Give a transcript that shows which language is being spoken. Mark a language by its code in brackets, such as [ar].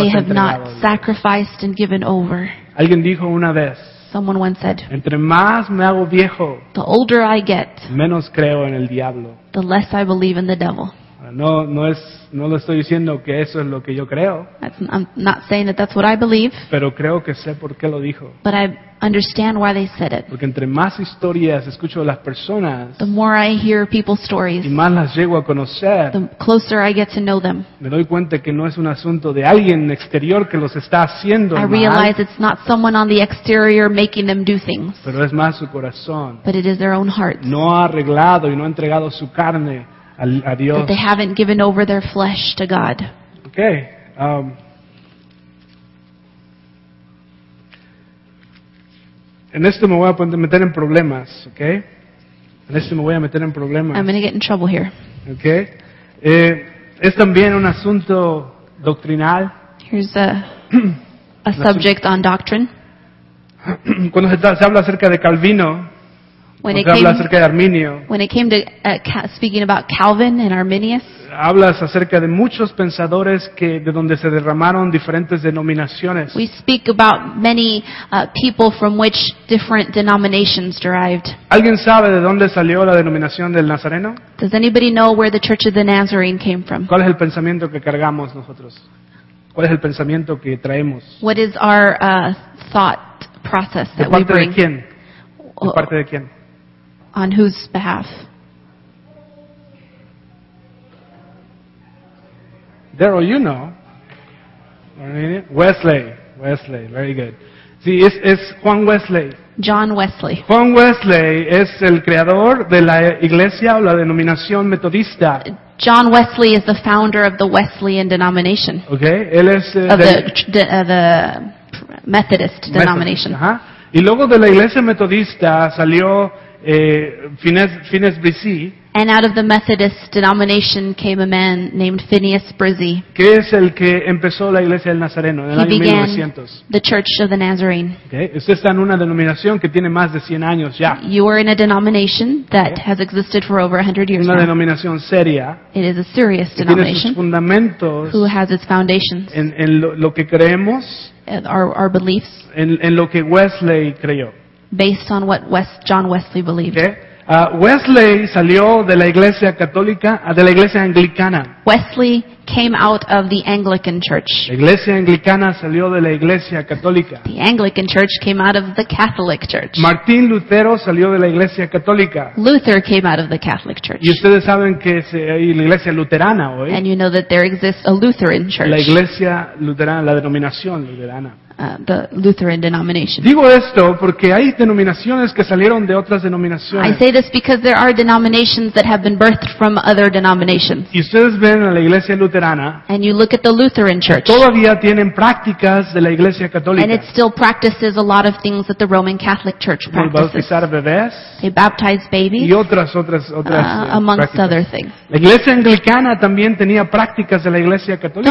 [es] entregado. [en] That they have not sacrificed and given over. [es] Alguien dijo una vez, [en] someone once said, [es] entre más me hago viejo, [en] the older I get, [es] menos creo en el diablo, [en] the less I believe in the devil. [es] No lo estoy diciendo que eso es lo que yo creo. [en] I'm not saying that that's what I believe. [es] Pero creo que sé por qué lo dijo. [en] But I understand why they said it. [es] Porque entre más historias escucho de las personas, [en] the more I hear people's stories, [es] y más las llego a conocer, [en] the closer I get to know them, [es] me doy cuenta que no es un asunto de alguien exterior que los está haciendo [en] mal. I realize it's not someone on the exterior making them do things. [es] Pero es más su corazón. [en] But it is their own hearts. [es] No ha arreglado y no ha entregado su carne a Dios. [en] That they haven't given over their flesh to God. Okay. [es] En esto me voy a meter en problemas, okay? En esto me voy a meter en problemas. [en] I'm going to get in trouble here. [es] Okay. Es también un asunto doctrinal. [en] Here's a subject on doctrine. [es] Cuando se habla acerca de Calvino, [en] When it came to speaking about Calvin and Arminius, [es] hablas acerca de muchos pensadores que de donde se derramaron diferentes denominaciones. [en] We speak about many people from which different denominations derived. [es] ¿Alguien sabe de dónde salió la denominación del Nazareno? [en] Does anybody know where the Church of the Nazarene came from? [es] ¿Cuál es el pensamiento que cargamos nosotros? ¿Cuál es el pensamiento que traemos? [en] What is our thought process that we bring? [es] ¿De parte de quién? [en] on whose behalf? Daryl, you know. Wesley, very good. [es] Sí, es Juan Wesley. [en] John Wesley. [es] Juan Wesley es el creador de la iglesia o la denominación metodista. [en] John Wesley is the founder of the Wesleyan denomination. [es] Okay, él es [en] the Methodist denomination. Uh-huh. [es] Y luego de la iglesia metodista salió Phineas Brissy. [en] And out of the Methodist denomination came a man named Phineas Brissy. [es] Que es el que empezó la iglesia del Nazareno en el año 1900. [en] The Church of the Nazarene. Okay. [es] Usted está en una denominación que tiene más de 100 años ya. [en] You are in a denomination that has existed for over 100 years. [es] Una denominación seria. [en] It is a serious denomination. [es] Tiene sus fundamentos. [en] Who has its foundations? [es] En lo que creemos. [en] Our beliefs. [es] En lo que Wesley creyó. [en] Based on what John Wesley believed. Okay. [es] Wesley salió de la iglesia católica, de la iglesia anglicana. [en] Wesley came out of the Anglican church. [es] La iglesia anglicana salió de la iglesia católica. [en] The Anglican church came out of the Catholic church. [es] Martín Lutero salió de la iglesia católica. [en] Luther came out of the Catholic church. [es] Y ustedes saben que hay la iglesia luterana hoy. [en] And you know that there exists a Lutheran church. [es] La iglesia luterana, la denominación luterana. [en] The Lutheran denomination. [es] Digo esto porque hay denominaciones que salieron de otras denominaciones. [en] I say this because there are denominations that have been birthed from other denominations. [es] Y ustedes ven a la iglesia luterana. [en] And you look at the Lutheran church. [es] Todavía tienen prácticas de la iglesia católica. [en] And it still practices a lot of things that the Roman Catholic Church practices. [es] Bautizar bebés. [en] They baptize babies. [es] Y otras [en] amongst [es] prácticas. [en] Other things. [es] La iglesia anglicana también tenía prácticas de la iglesia católica.